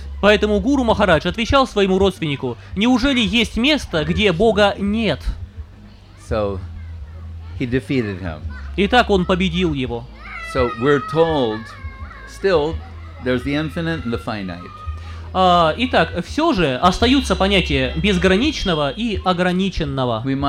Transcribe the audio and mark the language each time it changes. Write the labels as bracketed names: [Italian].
[Russian] Поэтому Гуру Махарадж отвечал своему родственнику: "Неужели есть место, где Бога нет?" [English] So he defeated him. [Russian] Итак, он победил его. [English] So we're told, still, there's the infinite and the finite. [Russian] Итак, все же остаются понятия безграничного и ограниченного.